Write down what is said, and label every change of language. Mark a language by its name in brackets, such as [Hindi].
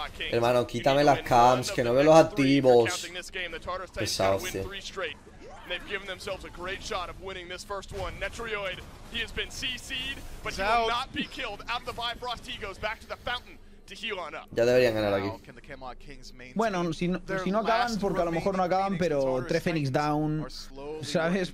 [Spanish] Hermano, quítame las cams, que no veo los activos. Pesado, tío. [English] They've given themselves a great shot of winning this first one. Netrioid, he has been CC'd, but he will not be killed. Out of the Bifrost, he goes back to the fountain to heal on up. [Spanish] Ya deberían ganar aquí. Bueno, si no acaban, porque a lo mejor no acaban, pero 3 Phoenix down, ¿sabes?